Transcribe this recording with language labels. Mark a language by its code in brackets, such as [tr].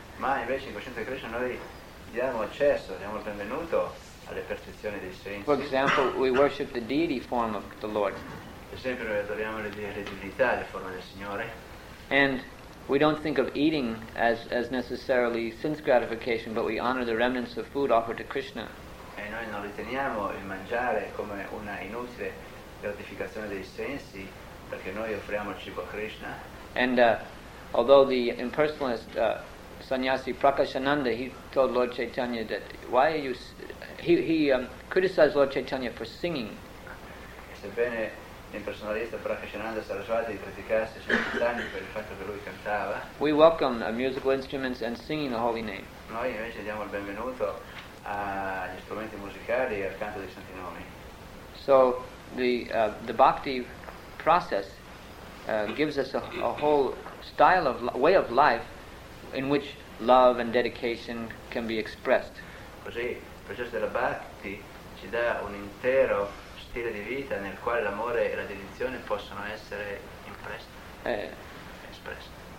[it] Ma invece in coscienza di Krishna noi diamo accesso, diamo il benvenuto alle percezioni dei sensi. [en] For example, we worship the deity form of the Lord. [it] Per esempio, noi adoriamo le divinità, le forme del Signore. [en] And we don't think of eating as necessarily sense gratification, but we honor the remnants of food offered to Krishna. [it] E noi non riteniamo il mangiare come una inutile gratificazione dei sensi, perché noi offriamo il cibo a Krishna. [en] And although the impersonalist sannyasi Prakashananda, he told Lord Chaitanya that why are you criticized Lord Chaitanya for singing. [it] Sebbene l'impersonalista Prakashananda Saraswati criticasse Sri Chaitanya per il fatto che lui cantava, [en] we welcome musical instruments and singing the holy name. [it] Noi invece diamo il benvenuto agli strumenti musicali e al canto dei santi nomi. [en] So the bhakti process gives us a whole style of way of life in which love and dedication can be expressed. [it] Così il processo della bhakti ci dà un intero stile di vita nel quale l'amore e la dedizione possono essere espressi.